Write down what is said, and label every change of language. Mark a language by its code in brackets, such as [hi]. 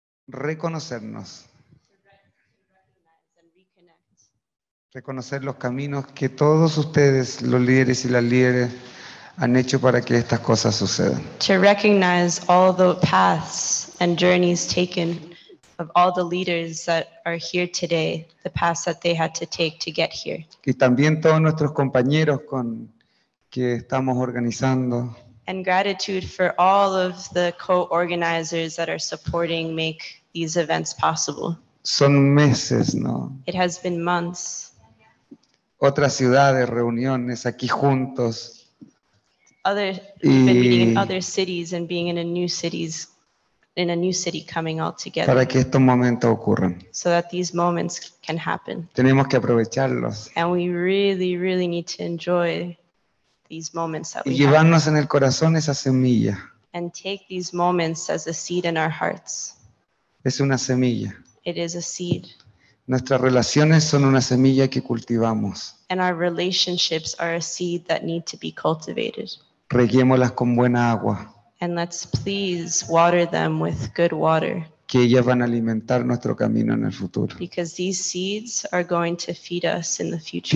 [es] Reconocernos. reconocer los caminos que todos ustedes, los líderes y las líderes, han hecho para que estas cosas sucedan. [en] To recognize all the paths and journeys taken of all the leaders that are here today, the paths that they had to take to get here. [es] Y también todos nuestros compañeros con que estamos organizando. [en] And gratitude for all of the co-organizers that are supporting make these events possible. [es] Son meses, ¿no? [en] It has been months. [es] Otras ciudades, reuniones, aquí juntos. [en] Other, we've been meeting in other cities and being in a new cities, in a new city coming all together. [es] Para que estos momentos ocurran. [en] So that these moments can happen. [es] Tenemos que aprovecharlos. [en] And we really, really need to enjoy these moments that [es] y llevarnos en el corazón esa semilla. [en] And take these moments as a seed in our hearts. [es] Es una semilla. [en] It is a seed. [es] Nuestras relaciones son una semilla que cultivamos. [en] And our relationships are a seed that need to be cultivated. [es] Reguémoslas con buena agua. [en] And let's please water them with good water. [es] Que ellas van a alimentar nuestro camino en el futuro. [en] Because these seeds are going to feed us in the future.